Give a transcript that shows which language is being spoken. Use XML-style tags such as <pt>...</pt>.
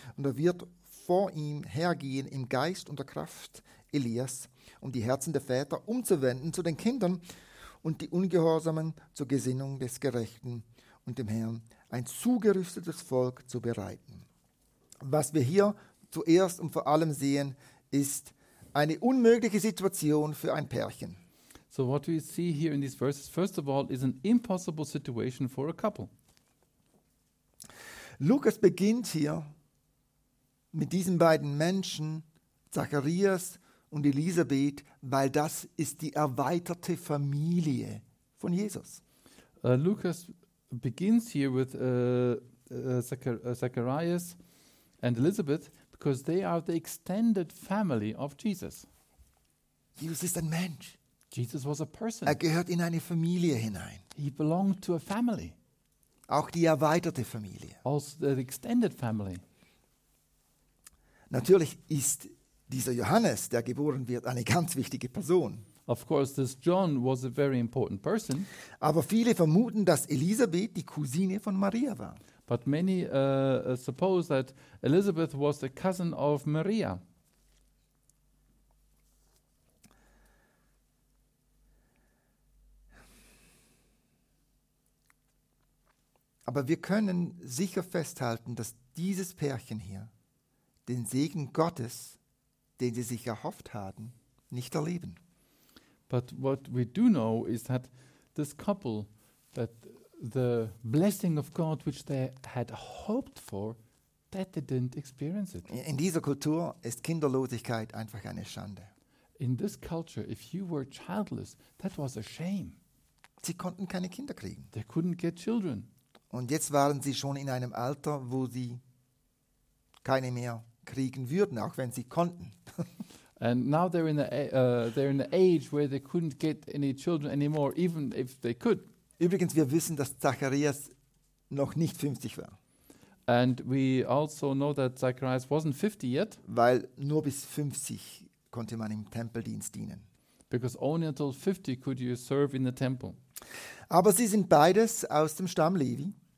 <de>Und er wird vor ihm hergehen im Geist und der Kraft Elias, um die Herzen der Väter umzuwenden zu den Kindern und die Ungehorsamen zur Gesinnung des Gerechten und dem Herrn ein zugerüstetes Volk zu bereiten. Was wir hier zuerst und vor allem sehen, ist eine unmögliche Situation für ein Pärchen.</de> <en>So what we see here in these verses, first of all, is an impossible situation for a couple.</en> <de>Lukas beginnt hier mit diesen beiden Menschen, Zacharias und Elisabeth, weil das ist die erweiterte Familie von Jesus.</de> <en>Lukas begins here with Zacharias and Elisabeth, because they are the extended family of Jesus.</en> <de>Jesus ist ein Mensch.</de> <en>Jesus was a person.</en> <de>Er gehört in eine Familie hinein.</de> <en>He belonged to a family.</en> <de>Auch die erweiterte Familie.</de> <en>Also the extended family.</en> <de>Natürlich ist dieser Johannes, der geboren wird, eine ganz wichtige Person.</de> <en>Of course, this John was a very important person.</en> <de>Aber viele vermuten, dass Elisabeth die Cousine von Maria war.</de> <en>But many suppose that Elizabeth was the cousin of Maria.</en> <de>Aber wir können sicher festhalten, dass dieses Pärchen hier den Segen Gottes, den sie sich erhofft hatten, nicht erleben.</de> <en>But what we do know is that this couple, that the blessing of God which they had hoped for, that they didn't experience it.</en> <de>In dieser Kultur ist Kinderlosigkeit einfach eine Schande.</de> <en>In this culture, if you were childless, that was a shame.</en> <de>Sie konnten keine Kinder kriegen.</de> <en>They couldn't get children.</en> <de>Und jetzt waren sie schon in einem Alter, wo sie keine mehr kriegen würden, auch wenn sie konnten.</de> <en>And now they're in the age where they couldn't get any children anymore, even if they could.</en> <de>Übrigens, wir wissen, dass Zacharias noch nicht 50 war.</de> <en>And we also know that Zacharias wasn't 50 yet.</en> <de>Weil nur bis 50 konnte man im Tempeldienst dienen.</de> <en>Because only until 50 could you serve in the temple.</en> <de>Aber sie sind beides aus dem Stamm Levi.</de>